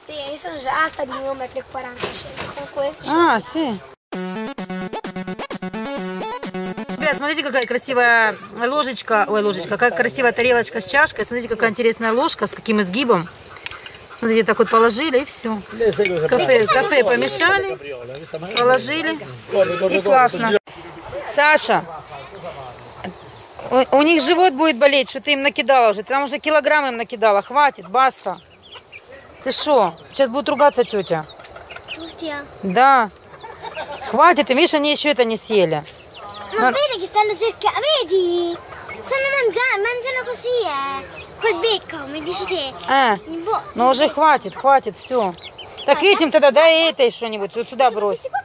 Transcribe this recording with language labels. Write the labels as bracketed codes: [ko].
[it] Sì, io sono già alta di 1,45 m con questo. Ah, sì. [ru] Смотрите, какая красивая ложечка, ой, ложечка, какая красивая тарелочка с чашкой. Смотрите, какая интересная ложка, с каким изгибом. Смотрите, так вот положили и все. Кафе помешали, положили и классно. Саша, у них живот будет болеть, что ты им накидала уже. Ты там уже килограмм им накидала, хватит, баста. Ты что, сейчас будут ругаться тетя. Тетя? Да. Хватит, и видишь, они еще это не съели. [it] Ma vedi che stanno cercando, vedi? Stanno mangiando così, Col becco, mi dici te. [ru] Ну уже хватит, хватит, все. Так этим тогда дай этой что-нибудь, вот сюда брось.